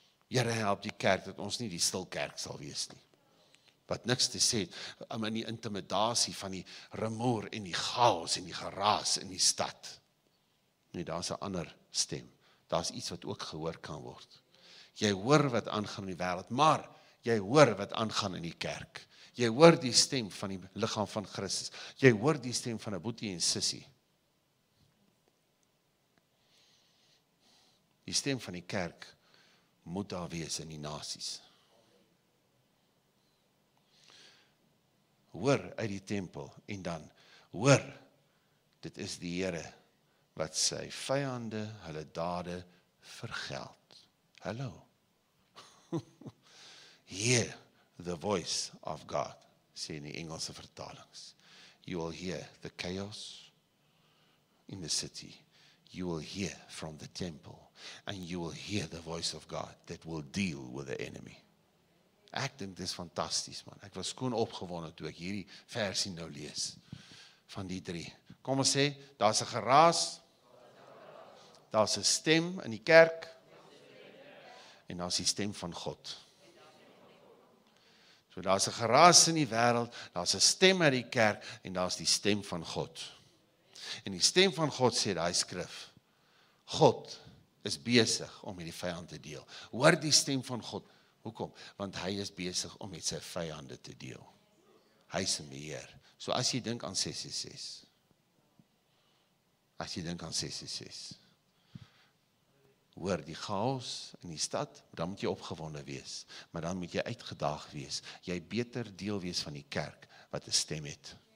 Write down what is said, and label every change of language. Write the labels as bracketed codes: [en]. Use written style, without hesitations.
[af] Jere, help die kerk, dat ons nie die stil kerk sal wees nie. Wat niks te sê, om in die intimidatie van die rumoer en die chaos en die geraas in die stad. Nee, daar is een ander stem. Daar is iets wat ook gehoor kan word. Jy hoor wat aangaan in die wereld, maar jy hoor wat aangaan in die kerk. Jy hoor die stem van die lichaam van Christus. Jy hoor die stem van die boetie en sissie. Die stem van die kerk moet daar wees in die nasies. Hoor uit die tempel, en dan, hoor, dit is die Here wat sy vijande, hulle dade, vergeld. Hallo. [en] Hear the voice of God, [af] sê in die Engelse vertalings. [en] You will hear the chaos in the city. You will hear from the temple, and you will hear the voice of God that will deal with the enemy. [af] Ek dink dit is fantastisch, man. Ek was skoon opgewonde toe ek hierdie versie nou lees, van die drie. Kom ons sê, daar is een geraas, daar is een stem in die kerk, en daar is die stem van God. So daar is een geraas in die wereld, daar is een stem in die kerk, en daar is die stem van God. En die stem van God sê die skrif, God is besig om met die vijand te deel. Hoor die stem van God, hoekom? Want hy is besig om met sy vijande te deel. hy is meer. So as jy dink aan 666, as jy dink aan 666, hoor die chaos in die stad, dan moet jy opgewonde wees, maar dan moet jy uitgedaag wees, jy beter deel wees van die kerk, wat die stem het.